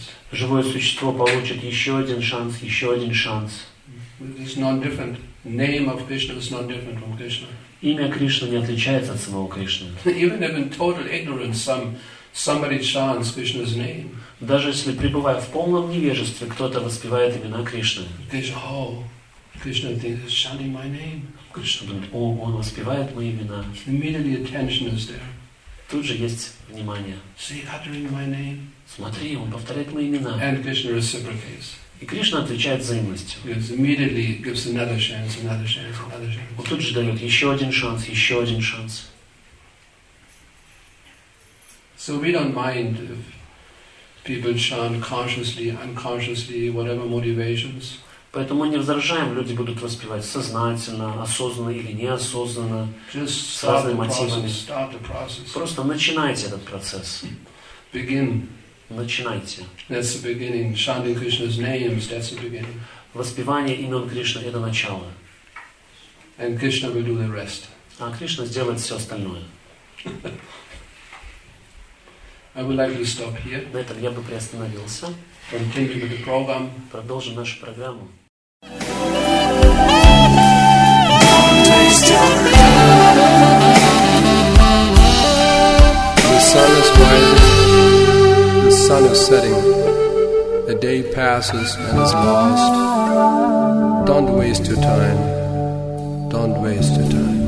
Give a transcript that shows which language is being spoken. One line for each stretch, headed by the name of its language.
Russian: Живое существо получит еще один шанс, еще один шанс.
English: Name of Krishna is not different from Krishna.
Russian: Имя Кришны не отличается от самого Кришны.
English: Even if in total ignorance somebody chants Krishna's name.
Russian: Даже если пребывая в полном невежестве, кто-то воспевает имена Кришны.
English: Krishna, oh, Krishna is chanting my name.
Russian: Кришна думает, о, он воспевает мои имена.
English: Immediately attention is there.
Russian: Тут же есть внимание.
English: See, uttering my name.
Russian: Смотри, он повторяет мои имена.
English: And Krishna reciprocates.
Russian: И Кришна отвечает взаимностью.
English: Yes, immediately gives another chance, another chance, another chance.
Russian: Вот тут же дает еще один шанс, еще один шанс.
English: So we don't mind if people chant consciously, unconsciously, whatever motivations.
Russian: Поэтому не возражаем, люди будут воспевать сознательно, осознанно или неосознанно,
English: just
Russian: с разными мотивами.
English: Start the process.
Russian: Просто начинайте этот процесс.
English: Begin.
Russian: Начинайте.
English: That's the beginning. Chanting Krishna's names, that's the beginning.
Russian: Воспевание имен Кришны – это начало.
English: And Krishna will do the rest.
Russian: А Кришна сделает все остальное.
English: I would like to stop here.
Russian: На этом я бы приостановился.
English: Continue with the program.
Russian: Продолжим нашу программу.
English: The sun is setting, the day passes and is lost. Don't waste your time, don't waste your time.